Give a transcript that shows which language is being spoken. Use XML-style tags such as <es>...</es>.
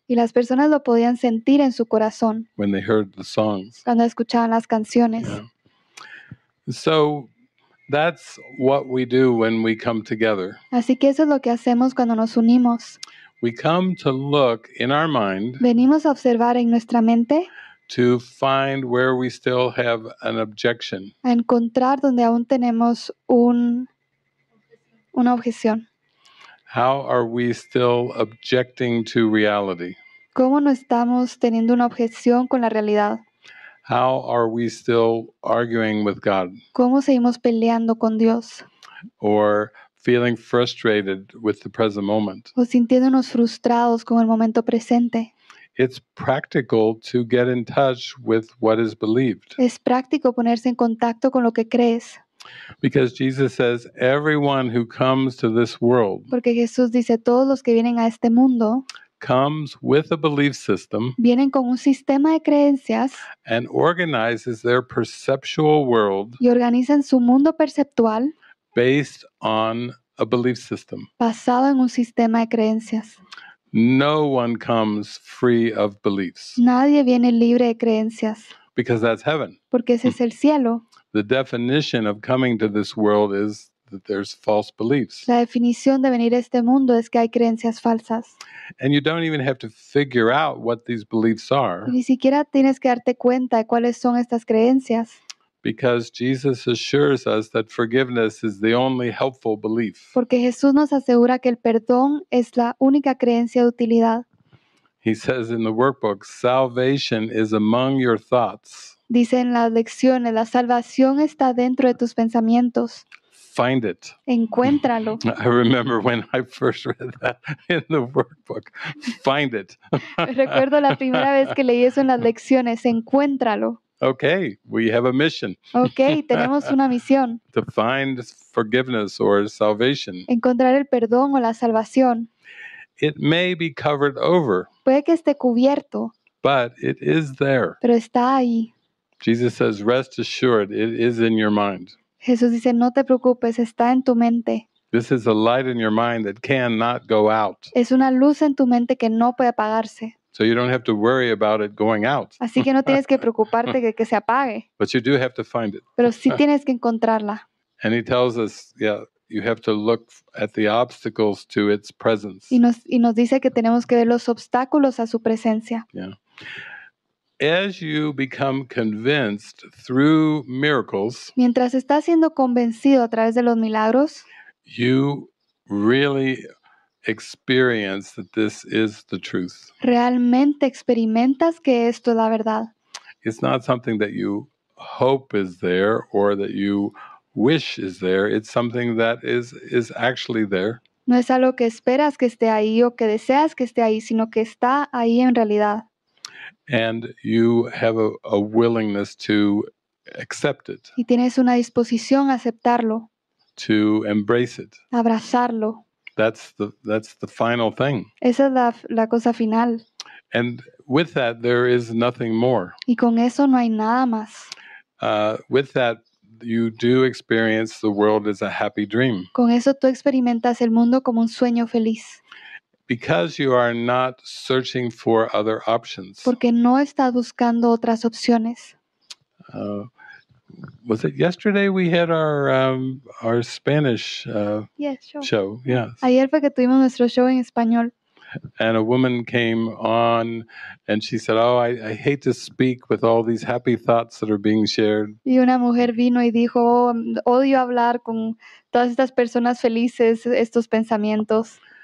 <es>Y las personas lo podían sentir en su corazón.</es> <en>When they heard the songs.</en> <es>Cuando escuchaban las canciones. Yeah.</es> <en>So that's what we do when we come together.</en> <es>Así que eso es lo que hacemos cuando nos unimos.</es> <en>We come to look in our mind.</en> <es>Venimos a observar en nuestra mente.</es> <en>To find where we still have an objection.</en> <es>A encontrar donde aún tenemos una objeción.</es> <en>How are we still objecting to reality?</en> <es>¿Cómo no estamos teniendo una objeción con la realidad?</es> <en>How are we still arguing with God?</en> <es>¿Cómo seguimos peleando con Dios?</es> <en>Or feeling frustrated with the present moment.</en> <es>O sintiéndonos frustrados con el momento presente.</es> <en>It's practical to get in touch with what is believed.</en> <es>Es práctico ponerse en contacto con lo que crees.</es> <en>Because Jesus says, everyone who comes to this world,</en> <es>porque Jesús dice, todos los que vienen a este mundo,</es> <en>comes with a belief system,</en> <es>vienen con un sistema de creencias,</es> <en>and organizes their perceptual world,</en> <es>y organizan su mundo perceptual,</es> <en>based on a belief system,</en> <es>basado en un sistema de creencias.</es> <en>No one comes free of beliefs.</en> <es>Nadie viene libre de creencias.</es> <en>Because that's heaven.</en> <es>Porque ese es el cielo.</es> <en>The definition of coming to this world is that there's false beliefs.</en> <es>La definición de venir a este mundo es que hay creencias falsas.</es> <en>And you don't even have to figure out what these beliefs are.</en> <es>Ni siquiera tienes que darte cuenta de cuáles son estas creencias.</es> <en>Because Jesus assures us that forgiveness is the only helpful belief.</en> <es>Porque Jesús nos asegura que el perdón es la única creencia de utilidad.</es> <en>He says in the workbook, salvation is among your thoughts.</en> <es>Dice en las lecciones, la salvación está dentro de tus pensamientos.</es> <en>Find it.</en> <es>Encuéntralo.</es> <en>I remember when I first read that in the workbook. Find it.</en> <es>Recuerdo la primera vez que leí eso en las lecciones. Encuéntralo.</es> <en>Okay, we have a mission.</en> <es>Okay, tenemos una misión.</es> <en>To find forgiveness or salvation.</en> <es>Encontrar el perdón o la salvación.</es> <en>It may be covered over.</en> <es>Puede que esté cubierto.</es> <en>But it is there.</en> <es>Pero está ahí.</es> <en>Jesus says, rest assured, it is in your mind.</en> <es>Jesús dice, no te preocupes, está en tu mente.</es> <en>This is a light in your mind that cannot go out.</en> <es>Es una luz en tu mente que no puede apagarse.</es> <en>So you don't have to worry about it going out.</en> <es>Así que no tienes que preocuparte que se apague.</es> <en>But you do have to find it.</en> <es>Pero sí tienes que encontrarla.</es> <en>And he tells us, yeah, you have to look at the obstacles to its presence.</en> <es>Y nos dice que tenemos que ver los obstáculos a su presencia.</es> <en>Yeah. As you become convinced through miracles,</en> <es>mientras estás siendo convencido a través de los milagros,</es> <en>you really experience that this is the truth.</en> <es>Realmente experimentas que esto es la verdad.</es> <en>It's not something that you hope is there or that you wish is there. It's something that is actually there.</en> <es>No es algo que esperas que esté ahí o que deseas que esté ahí, sino que está ahí en realidad.</es> <en>And you have a willingness to accept it.</en> <es>Y tienes una disposición a aceptarlo.</es> <en>To embrace it.</en> <es>Abrazarlo.</es> <en>That's the final thing.</en> <es>Esa es la cosa final.</es> <en>And with that, there is nothing more.</en> <es>Y con eso no hay nada más.</es> <en>With that, you do experience the world as a happy dream.</en> <es>Con eso tú experimentas el mundo como un sueño feliz.</es> <en>Because you are not searching for other options.</en> <es>Porque no estás buscando otras opciones.</es> <en>Was it yesterday we had our Spanish yes, sure. Show? Yes.</en> <es>Ayer fue que tuvimos nuestro show en español.</es> <en>And a woman came on and she said, "Oh, I hate to speak with all these happy thoughts that are being shared."</en> <es>Y una mujer vino y dijo, "Oh, odio hablar con todas estas personas felices, estos pensamientos."</es>